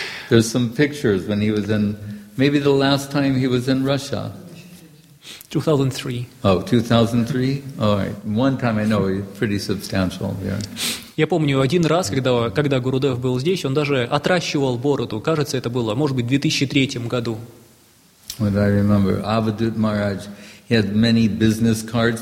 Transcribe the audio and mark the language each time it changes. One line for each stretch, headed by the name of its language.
English: There's some pictures when he was in, maybe the last time he was in Russia. 2003. Oh, 2003? All right. One time I know, he's pretty substantial here.
Russian: Я помню один раз, когда Гурудев был здесь, он даже отращивал бороду. Кажется, это было, может быть, в 2003 году.
English: What I remember, Avadhut Maharaj, he had many business cards.